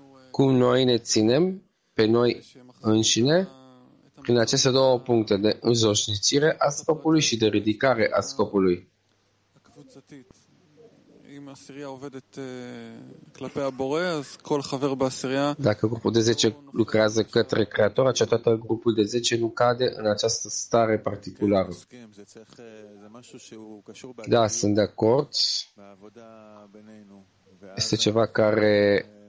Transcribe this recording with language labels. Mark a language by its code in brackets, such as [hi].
[ro] Cum noi ne ținem pe noi înșine prin aceste două puncte de înjoșnicire a scopului și de ridicare a scopului. [he] אם הסירייה עובדת כלפי הבורא, אז כל חבר בסירייה... [ro] Dacă grupul de 10 lucrează către creator, atunci toată grupul de 10 nu cade în această stare particulară. Da, sunt de acord. Este ceva care...